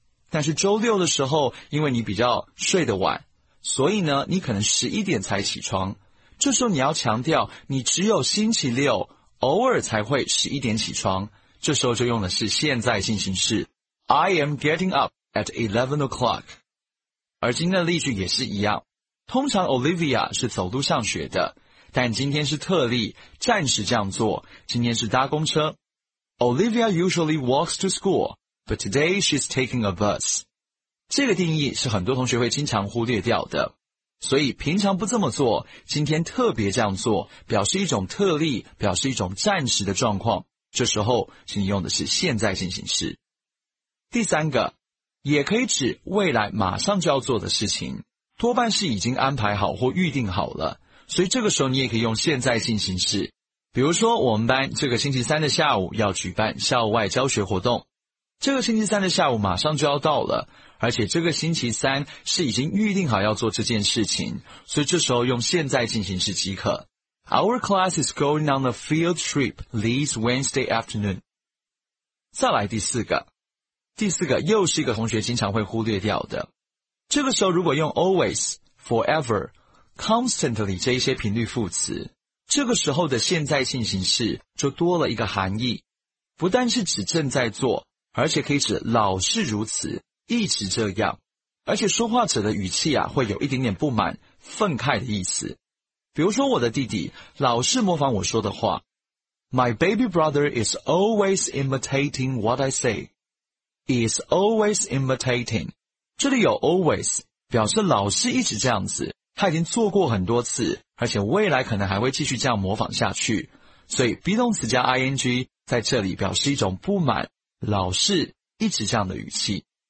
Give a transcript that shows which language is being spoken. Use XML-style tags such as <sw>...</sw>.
<zh>但是周六的时候因为你比较睡得晚，所以呢你可能11点才起床，这时候你要强调你只有星期六偶尔才会11点起床，这时候就用的是现在进行式</zh> <en>I am getting up at 11 o'clock。</en> <zh>而今天的例句也是一样，通常 Olivia 是走路上学的，但今天是特例，暂时这样做，今天是搭公车。</zh> <en>Olivia usually walks to school, but today she's taking a bus。</en> <zh>这个定义是很多同学会经常忽略掉的，所以平常不这么做，今天特别这样做，表示一种特例，表示一种暂时的状况，这时候请你用的是现在进行式。第三个，也可以指未来马上就要做的事情，多半是已经安排好或预定好了，所以这个时候你也可以用现在进行式。比如说我们班这个星期三的下午要举办校外教学活动，这个星期三的下午马上就要到了，而且这个星期三是已经预定好要做这件事情，所以这时候用现在进行式即可。</zh> <en>Our class is going on a field trip this Wednesday afternoon。</en> <zh>再来第四个，第四个又是一个同学经常会忽略掉的，这个时候如果用 always, forever, constantly 这一些频率副词，这个时候的现在进行式就多了一个含义，不但是指正在做，而且可以指老是如此，一直这样，而且说话者的语气啊，会有一点点不满、愤慨的意思。比如说我的弟弟老是模仿我说的话。</zh> <en>My baby brother is always imitating what I say. Is always imitating.</en> <zh>这里有 always, 表示老是一直这样子。他已经做过很多次，而且未来可能还会继续这样模仿下去。所以 be 动词加 ing 在这里表示一种不满、老是一直这样的语气。</zh>